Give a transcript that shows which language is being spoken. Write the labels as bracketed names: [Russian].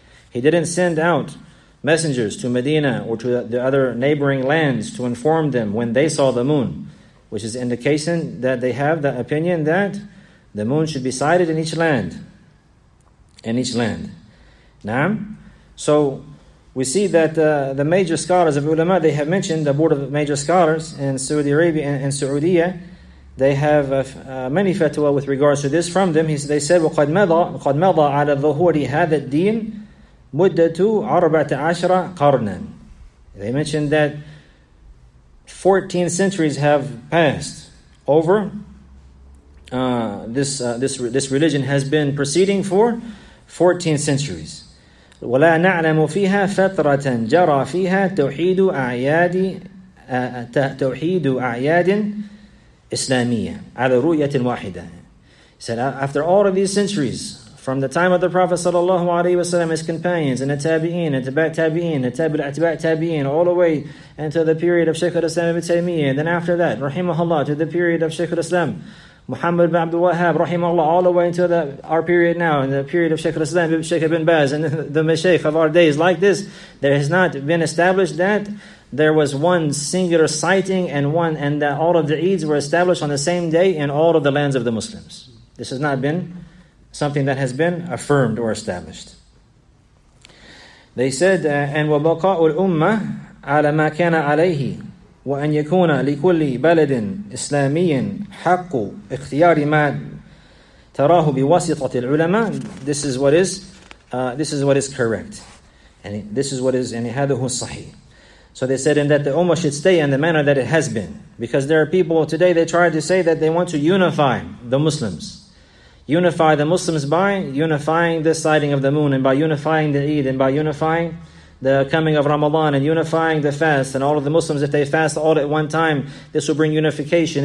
[English] He didn't send out messengers to Medina or to the other neighboring lands to inform them when they saw the moon, which is indication that they have the opinion that the moon should be sighted in each land. In each land. Naam? So we see that the major scholars of ulama, they have mentioned, the board of major scholars in Saudi Arabia and Saudiya, they have many fatwa with regards to this from them. They said, [Arabic] وَقَدْ مَضَى عَلَى ظُهُورِ هَذَا الدِّينِ مُدَّةُ عَرْبَةَ عَشْرَ قَرْنًا. [English] They mentioned that 14 centuries have passed over. This religion has been proceeding for 14 centuries. [Arabic] وَلَا نَعْلَمُ فِيهَا فَتْرَةً جَرَى فِيهَا تَوْحِيدُ أَعْيَادِ تَوْحِيدُ أَعْيَادٍ إِسْلَامِيَّةٍ عَلَى رُؤْيَةٍ وَاحِدَةٍ. [English] He said, after all of these centuries, from the time of the Prophet sallallahu alaihi wasallam, his companions, and the tabi'in, and tabi' tabi'in, and tabi' tabi' tabi'in, all the way until the period of Shaykh al-Islam ibn Taymiyyah, and then after that, rahimahullah, to the period of Shaykh al-Islam, Muhammad ibn Abdul Wahhab, rahimahullah, all the way until our period now, in the period of Shaykh al-Islam, Shaykh ibn Baz, and the mashaykh of our days, like this, there has not been established that there was one singular sighting, and that all of the Eids were established on the same day in all of the lands of the Muslims. This has not been something that has been affirmed or established. They said, and [Arabic] وَبَقَاءُ الْأُمَّةِ عَلَى مَا كَانَ عَلَيْهِ وَأَنْ يَكُونَ لِكُلِّ بَلَدٍ إِسْلَامِيٍ حَقُّ اِخْتِيَارِ مَا تَرَاهُ بِوَسِطَةِ الْعُلَمَاءِ. [English] This is what is correct. And this is what is, and [Arabic] هَذُهُ الصَّحِيحِ. [English] So they said, and that the ummah should stay in the manner that it has been. Because there are people today, they try to say that they want to unify the Muslims. Unify the Muslims by unifying the sighting of the moon, and by unifying the Eid, and by unifying the coming of Ramadan, and unifying the fast, and all of the Muslims, if they fast all at one time, this will bring unification.